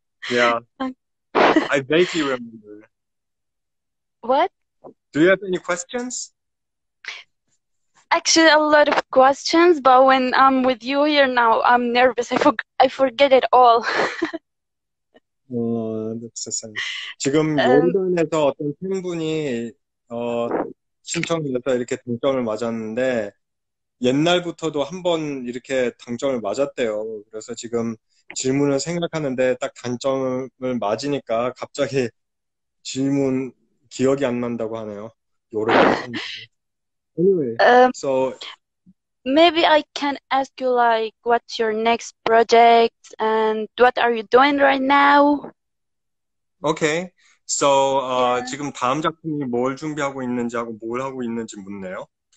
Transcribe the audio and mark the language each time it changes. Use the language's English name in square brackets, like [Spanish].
[English] Yeah. I vaguely remember. What? Do you have any questions? Actually, a lot of questions, but when I'm with you here now, I'm nervous. I forget it all. [Korean] 세상에. 지금 요르단에서 어떤 팬분이 신청해서 이렇게 당점을 맞았는데 옛날부터도 한번 이렇게 당점을 맞았대요. 그래서 지금 질문을 생각하는데 딱 당점을 맞으니까 갑자기 질문 기억이 안 난다고 하네요. 요르단 팬분. Anyway, so [English] Maybe I can ask you, like, what's your next project and what are you doing right now? [Korean] Okay, so 지금 다음 작품이 뭘 준비하고 있는지 하고 뭘 하고 있는지 묻네요.